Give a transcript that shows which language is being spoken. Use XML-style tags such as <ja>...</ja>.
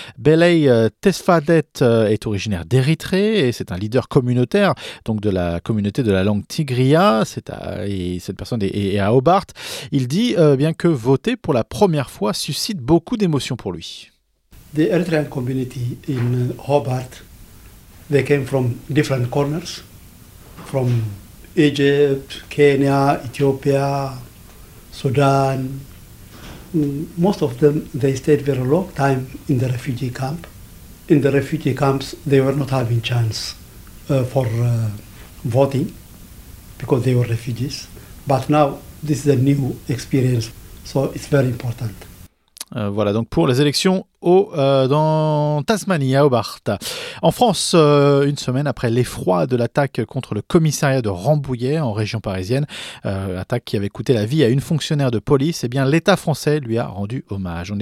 <fr>Belay Tesfadet est originaire d'Érythrée et c'est un leader communautaire donc de la communauté de la langue tigria. Cette personne est à Hobart. Il dit bien que voter pour la première fois suscite beaucoup d'émotions pour lui.</fr> <en>The Eritrean community in Hobart They came from different corners, from Egypt, Kenya, Ethiopia, Sudan. Most of them, they stayed very long time in the refugee camp. In the refugee camps, they were not having chance for voting because they were refugees. But now, this is a new experience, so it's very important.</en> <fr>Voilà donc pour les élections dans Tasmanie, à Hobart. En France, une semaine après l'effroi de l'attaque contre le commissariat de Rambouillet en région parisienne, attaque qui avait coûté la vie à une fonctionnaire de police, eh bien, l'État français lui a rendu hommage.</fr>